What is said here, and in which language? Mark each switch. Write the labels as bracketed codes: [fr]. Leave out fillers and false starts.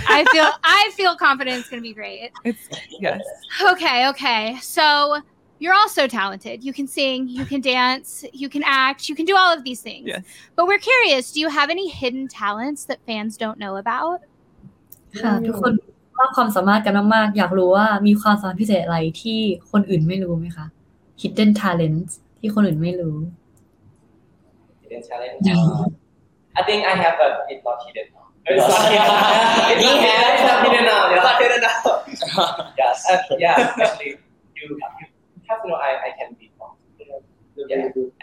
[en] I feel confident it's going to be great. Yes. Okay. So you're also talented. You can sing, you can dance, you can act, you can do all of these things. Yes. But we're curious, do you have any hidden talents that fans don't know about? [th] ว่าความสามารถกันมากๆอยากรู้ว่ามีความสามารถพิเศษอะไรที่คนอื่นไม่รู้ไหมคะ Hidden talents ที่คนอื่นไม่รู้ [en] Hidden talent I think I have a it's not hidden it's not hidden now it's not hidden now yes yeah actually you have to know I can beatbox yeah